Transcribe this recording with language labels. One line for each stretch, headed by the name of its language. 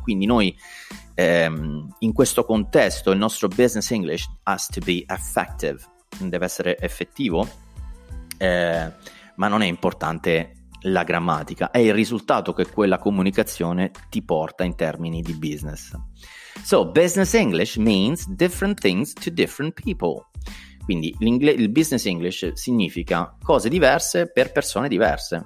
Italian: Quindi noi, in questo contesto, il nostro business English
English: has to be effective.
Italian: Deve essere effettivo, ma non è importante la grammatica, è il risultato che quella comunicazione ti porta in termini di business.
English: So, business English means different things to different people.
Italian: Quindi il business English significa cose diverse per persone diverse.